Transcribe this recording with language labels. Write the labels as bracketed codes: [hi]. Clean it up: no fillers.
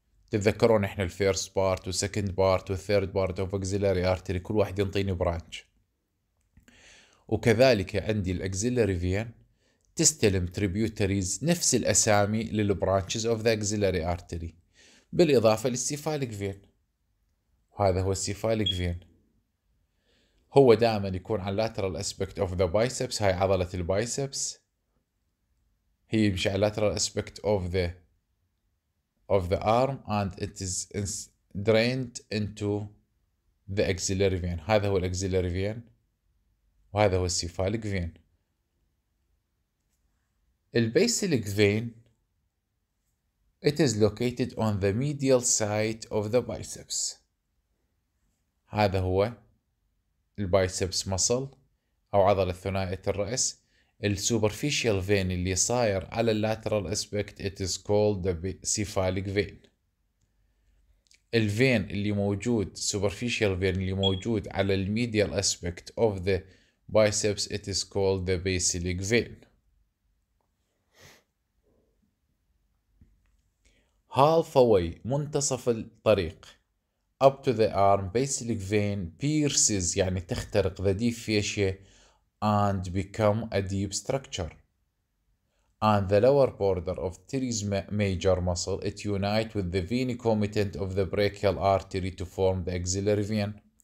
[ar] تتذكرون احنا [en] الفيرست بارت والسكند بارت والثيرد بارت اوف اكزيلاري ارتري [ar] كل واحد ينطيني برانش، وكذلك عندي الاكزيلاري فين تستلم تريبيوتريز نفس الاسامي للبرانشز اوف ذا اكزيلاري ارتري بالاضافه للسيفاليك فين. وهذا هو السيفاليك فين، هو دائما يكون على lateral aspect of the biceps، هاي عضلة البايسبس، هي يمشي على [en] lateral aspect of the arm and it is drained into the axillary vein. [ar] هذا هو axillary vein وهذا هو cephalic vein. [en] Basilic vein it is located on the medial side of the biceps. [ar] هذا هو البايسبس مصل او عضلة ثنائية الرأس. السوبرفيشيال فين اللي صاير على اللاترال اسبكت [en] it is called the cephalic vein. [ar] الفين اللي موجود [en] superficial vein [ar] اللي موجود على [en] الميديال aspect of the biceps it is called the basilic vein. Halfway [ar] منتصف الطريق [en] up to the arm basilic vein pierces [ar] يعني تخترق [en] the deep fascia and become a deep structure and the lower border of teres major muscle it unite with the veni comitant of the brachial artery to form the axillary vein.